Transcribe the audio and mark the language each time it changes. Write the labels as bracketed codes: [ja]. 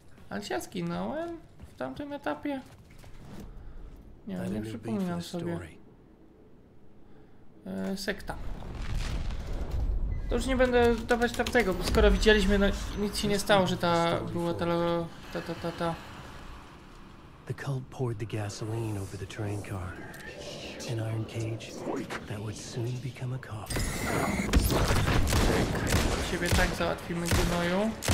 [pl] Ale się zginąłem w tamtym etapie. Nie wiem, nie przypominam sobie. Sekta. To już nie będę dawać tamtego, bo skoro widzieliśmy, no nic się nie stało, że ta była ta. [en] The cult poured the gasoline over the train car. An iron cage that would soon become a coffin. [pl] Siebie tak załatwimy gnoju.